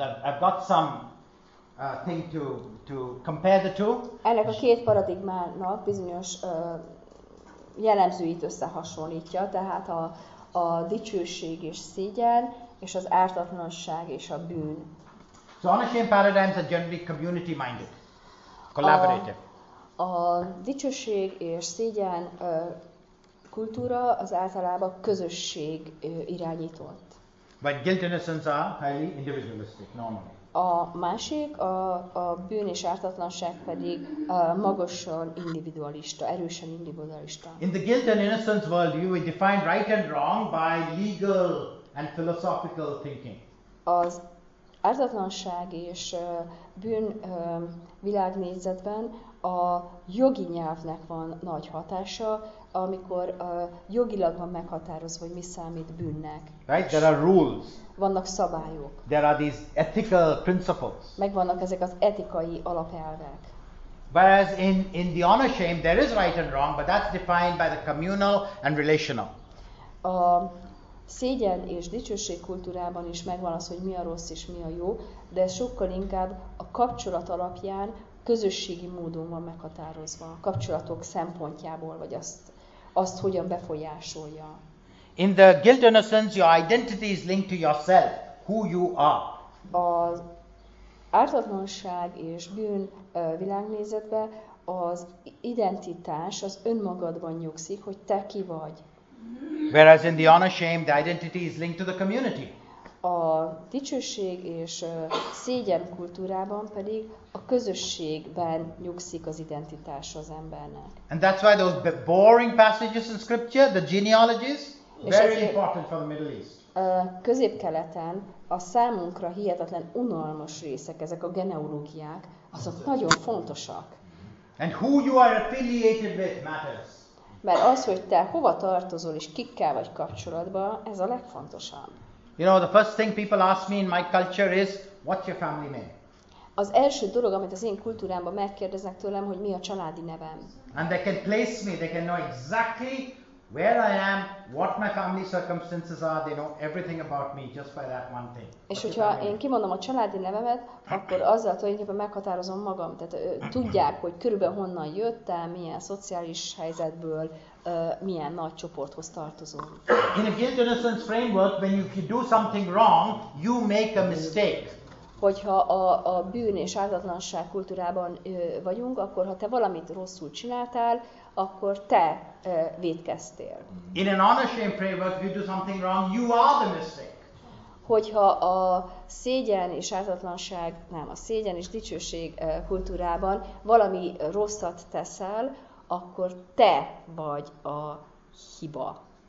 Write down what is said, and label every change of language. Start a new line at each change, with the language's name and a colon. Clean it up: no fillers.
English: I've got some thing to compare the two.
Hungarian: Ennek a két paradigmának bizonyos jellemzőit összehasonlítja, tehát a dicsőség és szégyen, és az ártatlanság és a bűn.
English: So unashamed paradigms are generally community minded, collaborative.
Hungarian: A dicsőség és szégyen kultúra az általában közösség irányított.
English: But guilt innocence are highly individualistic, normally.
Hungarian: A másik, a bűn és ártatlanság pedig magasan individualista, erősen individualista.
English: In the guilt and innocence worldview, we define right and wrong by legal and philosophical thinking.
Hungarian: Az ártatlanság és bűn világnézetben a jogi nyelvnek van nagy hatása, amikor jogilag van meghatározva, hogy mi számít bűnnek.
English: Right, there are rules.
Hungarian: Vannak szabályok.
English: There are these ethical principles.
Hungarian: Megvannak ezek az etikai alapelvek.
English: Whereas in the honor shame there is right and wrong, but that's defined by the communal and relational.
Hungarian: A szégyen és dicsőség kultúrában is megvan az, hogy mi a rossz és mi a jó, de ez sokkal inkább a kapcsolat alapján, közösségi módon van meghatározva, a kapcsolatok szempontjából, vagy azt hogyan befolyásolja.
English: In the guilt innocence, your identity is linked to yourself, who you are.
Hungarian: Az ártatlanság és bűn világnézetben az identitás az önmagadban nyugszik, hogy te ki vagy.
English: Whereas in the honor shame, the identity is linked to the community.
Hungarian: A dicsőség és szégyen kultúrában pedig a közösségben nyugszik az identitása az embernek.
English: And that's why those boring passages in scripture, the genealogies, very important for the Middle East.
Hungarian: Középkeleten a számunkra hihetetlen unalmas részek, ezek a genealógiák, azok nagyon fontosak.
English: And who you are affiliated with matters.
Hungarian: Mert az, hogy te hova tartozol és kikkel vagy kapcsolatban, ez a legfontosabb.
English: You know, the first thing people ask me in my culture is, what's your family name?
Hungarian: Az első dolog, amit az én kultúrámban megkérdeznek tőlem, hogy mi a családi nevem.
English: And they can place me, they can know exactly where I am, what my family circumstances are, they know everything about me just by that one thing.
Hungarian: És hogyha én kimondom a családi nevemet, akkor azzal tulajdonképpen meghatározom magam. Tehát tudják, hogy körülbelül honnan jöttem, milyen szociális helyzetből, milyen nagy csoporthoz tartozom.
English: In a guilt innocence framework, when you do something wrong, you make a mistake.
Hungarian: Hogyha a bűn és ártatlanság kultúrában vagyunk, akkor ha te valamit rosszul csináltál, akkor te vétkeztél.
English: In an honor shame framework, if you do something wrong, you are the mistake.
Hungarian: Hogyha a szégyen és ártatlanság, nem, a szégyen és dicsőség kultúrában valami rosszat teszel, akkor te vagy a hiba.